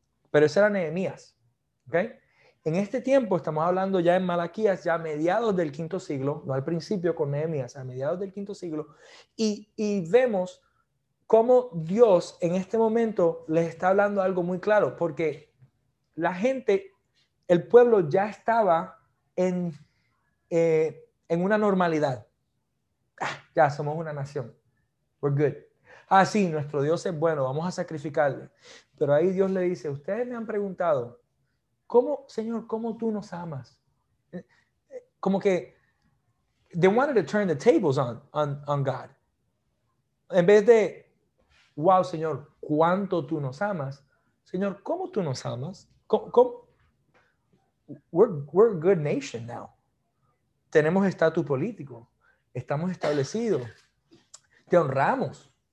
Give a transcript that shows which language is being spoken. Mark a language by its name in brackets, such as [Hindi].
[Spanish] Pero ese era Nehemías, ¿ok? En este tiempo, estamos hablando ya en Malaquías, ya a mediados del quinto siglo, no al principio con Nehemías, a mediados del quinto siglo, y vemos cómo Dios en este momento les está hablando algo muy claro, porque la gente, el pueblo ya estaba en una normalidad. Ah, ya somos una nación. [English] We're good. [Spanish] Ah, sí, nuestro Dios es bueno, vamos a sacrificarle. Pero ahí Dios le dice, ustedes me han preguntado, ¿cómo, Señor, cómo tú nos amas? Como que [English] they wanted to turn the tables on God. [Spanish] En vez de, wow, Señor, cuánto tú nos amas. Señor, ¿cómo tú nos amas? ¿Cómo? [English] We're a good nation now. [Spanish] Tenemos estatus político. Estamos establecidos. Te honramos.